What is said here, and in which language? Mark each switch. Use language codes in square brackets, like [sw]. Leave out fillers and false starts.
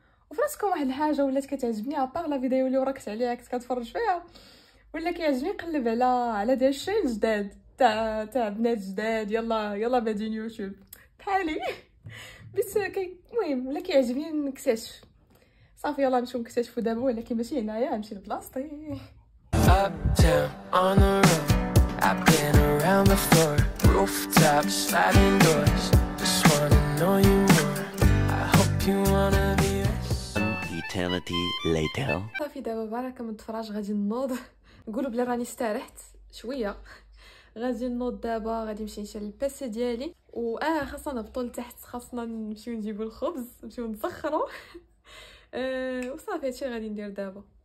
[ar] وفي راسكم واحد الحاجه ولات كتعجبني على طار لا فيديو اللي وراكت عليها كنت كتفرج فيها، ولا كيعجبني نقلب على داك الشيء الجداد تاع بنات جداد. يلا بادين يوتيوب بحالي بس المهم ولا كيعجبني نكتشف. صافي يلا نمشيو نكتشفوا دابا، ولكن ماشي هنايا، نمشي لبلاصتي. [en] Uptown on the road, I've been around before. Rooftops, sliding doors, just wanna know you more. I hope you wanna be with an eternity later. [ar] صافي دابا بركه من التفراج غادي نوض، نقولوا بلي راني استرحت شويه. غادي نوض دابا، غادي نمشي نشري البيسي ديالي خاصنا نهبطوا لتحت، خاصنا نمشيو نجيبوا الخبز نمشيو نسخروا وصافي هادشي غادي ندير دابا.